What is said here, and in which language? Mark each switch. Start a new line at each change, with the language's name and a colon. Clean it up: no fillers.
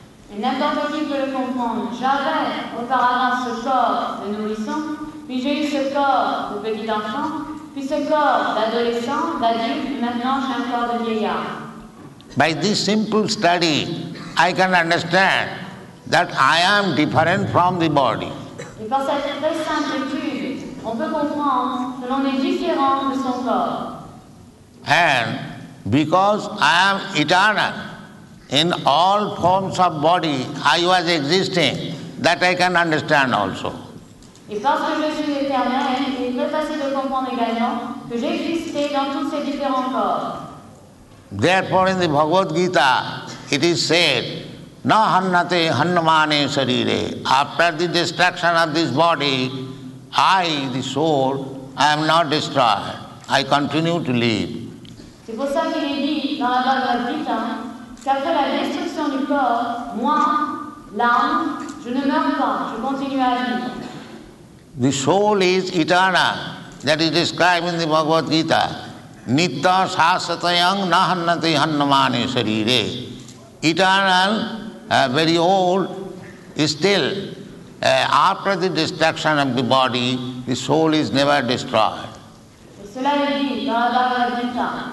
French: Et n'importe qui peut le comprendre. J'avais auparavant ce corps de nourrisson, puis j'ai eu ce corps de petit enfant, puis ce corps d'adolescent, d'adulte, maintenant j'ai un corps de vieillard.
English: By this simple study, I can understand that I am different from the body.
French: Et par cette très simple étude, on peut comprendre que l'on est différent de son corps.
English: And because I am eternal, in all forms of body, I was existing, that I can understand also.
French: Et parce que je suis éternel, il est très facile de comprendre également que j'existais dans tous ces différents corps.
English: Therefore, in the Bhagavad Gita, it is said,
Sanskrit: na hannate hannamane sarire.
English: After the destruction of this body, I, the soul, I am not destroyed. I continue to live.
French: C'est pour ça qu'il est dit dans la Bhagavad Gita qu'après la destruction du corps, moi, l'âme, je ne meurs pas, je continue à vivre.
English: The soul is eternal, that is described in the Bhagavad Gita.
Sanskrit: Nitya sasatayam nahannati hannamani sarire.
English: Eternal, very old, is still. After the destruction of the body, the soul is never destroyed.
French: Cela est dit dans la Bhagavad Gita.